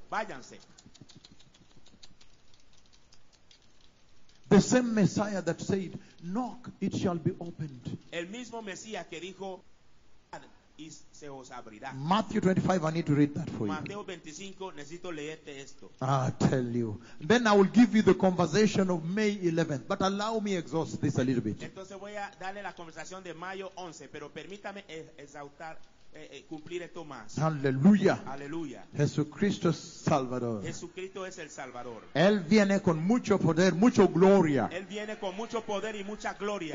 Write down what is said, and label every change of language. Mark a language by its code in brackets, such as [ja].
[es] Váyanse. [en] The same Messiah that said, knock, it shall be opened. [es] El mismo Mesías que dijo, y se os abrirá. [en] Matthew 25, I need to read that for [es] Mateo [en] you. [es] Mateo 25, necesito leerte esto. [en] I tell you. Then I will give you the conversation of May 11th. But allow me exhaust this a little bit. [es] Entonces voy a darle la conversación de mayo 11, pero permítame exhaustar cumplir esto más. Aleluya. Aleluya. Jesucristo es Salvador. Jesucristo es el Salvador. Él viene con mucho poder, mucha gloria. Él viene con mucho poder y mucha gloria.